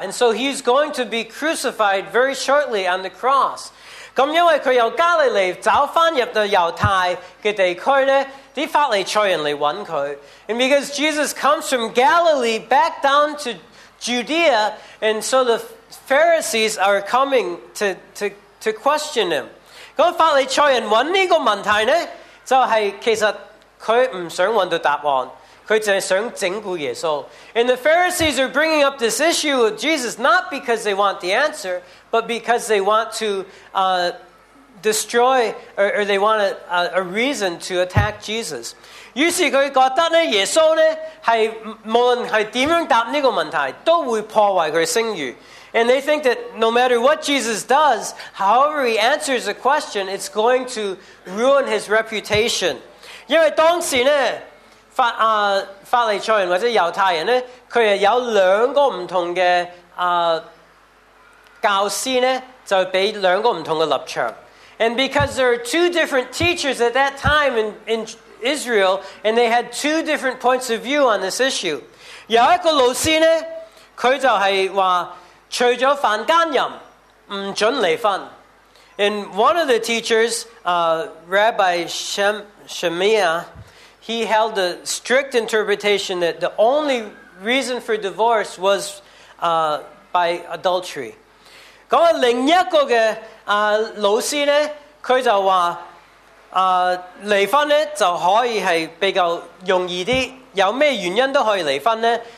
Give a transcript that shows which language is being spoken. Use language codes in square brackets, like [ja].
[en] And so he's going to be crucified very shortly on the cross. [yue] 咁因为佢由加利利走翻入到犹太嘅地区咧。啲法利賽人嚟揾佢 [en] ，and because Jesus comes from Galilee back down to Judea, and so the Pharisees are coming to question him. [yue] 咁法利賽人揾呢個問題咧，就係其實佢唔想揾到答案，佢就係想整蠱耶穌。 [en] And the Pharisees are bringing up this issue with Jesus not because they want the answer, but because they want to destroy, or they want a reason to attack Jesus. [yue] 於是佢覺得咧，耶穌咧係無論係點樣答呢個問題，都會破壞佢聲譽。 [en] And they think that no matter what Jesus does, however he answers a question, it's going to ruin his reputation. [yue] 因為當時咧，法利賽人或者猶太人咧，佢係有兩個唔同嘅教師咧，就俾兩個唔同嘅立場。 [en] And because there are two different teachers at that time in Israel, and they had two different points of view on this issue. [yue] 有一個老師呢，佢就係話，除咗犯奸淫，唔准離婚。 [en] And one of the teachers, Rabbi Shemiah, he held a strict interpretation that the only reason for divorce was by adultery. [yue] 咁另一個嘅老師咧，佢就話離婚咧就可以係比較容易啲，有咩原因都可以離婚咧。